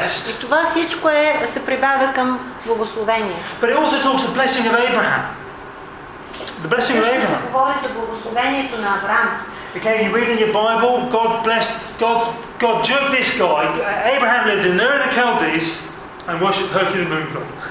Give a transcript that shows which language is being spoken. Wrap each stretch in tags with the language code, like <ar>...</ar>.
<bg>И това всичко е се прибавя към благословение.</bg> <en>But it also talks of blessing of Abraham. The blessing of Abraham.</en> <bg>Говори за благословението на Авраам.</bg> <en>Okay, you read in your Bible, God blessed, God judged this guy. Abraham lived in Ur of the Chaldees and worshipped Hercules Moon God.</en>